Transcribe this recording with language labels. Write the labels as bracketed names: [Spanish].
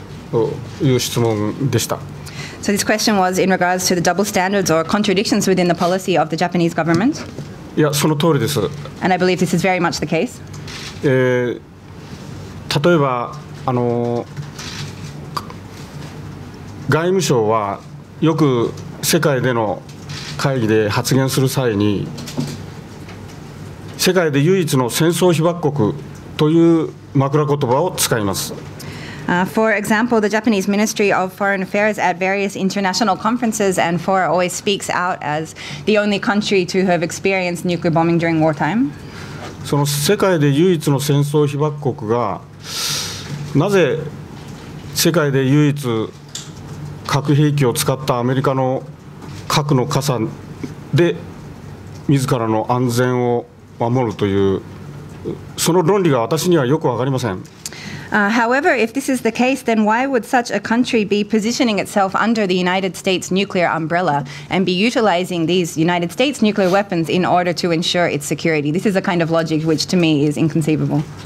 [English] So this question was in regards to the double standards or contradictions within the policy of the Japanese government. [Japanese] Yeah, その通りです。 [English] And I believe this is very much the case. [Japanese] 例えば、外務省はよく世界での会議で発言する際に、世界で唯一の戦争被爆国という枕言葉を使います。 [English] For example, the Japanese Ministry of Foreign Affairs at various international conferences and fora always speaks out as the only country to have experienced nuclear bombing during wartime. [Japanese] その世界で唯一の戦争被爆国がなぜ世界で唯一核兵器を使ったアメリカの核の傘で自らの安全を守るというその論理が私にはよくわかりません。 [English] However, if this is the case, then why would such a country be positioning itself under the United States nuclear umbrella and be utilizing these United States nuclear weapons in order to ensure its security? This is a kind of logic which to me is inconceivable.